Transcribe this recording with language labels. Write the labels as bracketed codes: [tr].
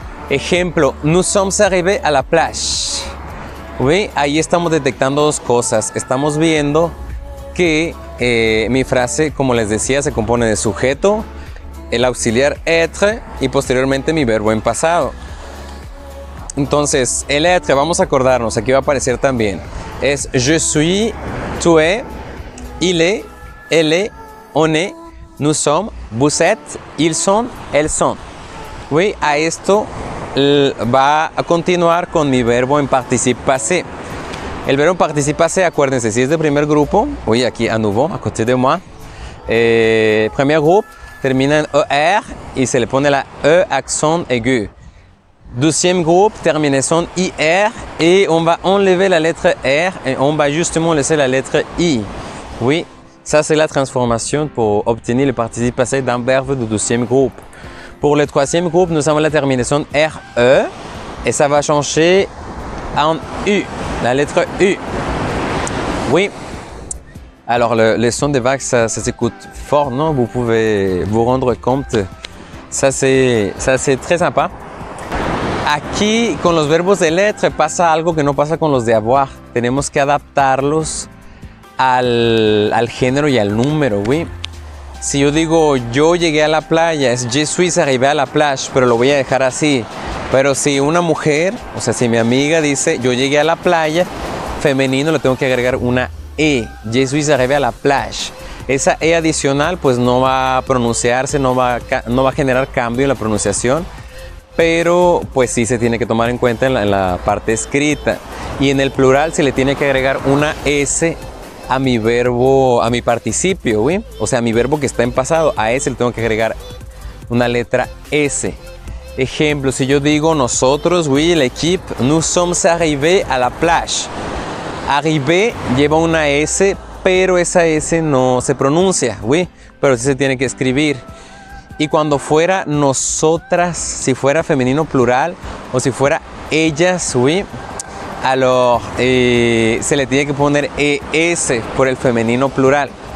[fr] Ejemplo, nous sommes arrivés à la plage. [es] Oui, ahí estamos detectando dos cosas. Estamos viendo que mi frase, como les decía, se compone de sujeto, el auxiliar être y posteriormente mi verbo en pasado. Entonces, el être, vamos a acordarnos, aquí va a aparecer también. [fr] Es je suis, tu es, il est, elle est, on est, nous sommes, vous êtes, ils sont, elles sont. [es] Oui, a esto va a continuar con mi verbo en participe passé. El verbo en participe passé, acuérdense, si es de primer grupo, oui, aquí [fr] a nouveau, à côté de moi. Premier groupe, [es] termina en er y se le pone la e accent aigu. [fr] Deuxième groupe, terminaison IR, et on va enlever la lettre R et on va justement laisser la lettre I. Oui, ça c'est la transformation pour obtenir le participe passé d'un verbe de deuxième groupe. Pour le troisième groupe, nous avons la terminaison RE et ça va changer en U, la lettre U. Oui, alors le son des vagues, ça s'écoute fort, non? Vous pouvez vous rendre compte. Ça c'est très sympa. [es] Aquí, con los verbos de lettre, pasa algo que no pasa con los de avoir. Tenemos que adaptarlos al género y al número, oui. Si yo digo, yo llegué a la playa, es [fr] je suis arrivé à la plage, [es] pero lo voy a dejar así. Pero si una mujer, o sea, si mi amiga dice, yo llegué a la playa, femenino, le tengo que agregar una e. [fr] Je suis arrivé à la plage. [es] Esa e adicional, pues no va a pronunciarse, no va a generar cambio en la pronunciación. Pero, pues sí se tiene que tomar en cuenta en la parte escrita. Y en el plural se le tiene que agregar una S a mi verbo, a mi participio, ¿sí? O sea, a mi verbo que está en pasado, a ese le tengo que agregar una letra S. Ejemplo, si yo digo nosotros, oui, [fr] l'équipe, nous sommes arrivés à la plage. [es] Arrivé lleva una S, pero esa S no se pronuncia, ¿sí? Pero sí se tiene que escribir. Y cuando fuera nosotras, si fuera femenino plural o si fuera ellas, [fr] oui, alors [es] se le tiene que poner ES por el femenino plural.